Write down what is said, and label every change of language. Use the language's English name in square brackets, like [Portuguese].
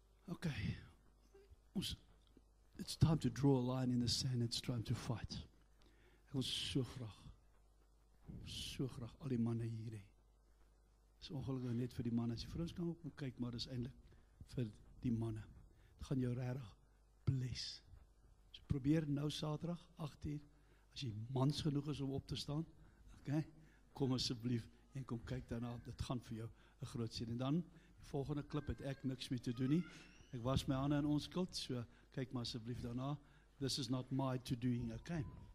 [English] Okay. It's time to draw a line in the sand. It's time to fight. [Afrikaans] Ek wil so graag al die manne hier hê. Dis ongelukkig net vir die manne. As die vrouens kan ook kyk, maar dis eintlik vir die manne. Dit gaan jou regtig bless. So probeer nou Saterdag 8:00, as jy mans genoeg is om op te staan, okay? Kom asseblief en kom kyk daarna. Dit gaan vir jou 'n groot seën. En dan die volgende klip het ek niks mee te doen nie. Ek was my hande in onskuld, so kyk maar asseblief daarna. [English] This is not my to doing, okay?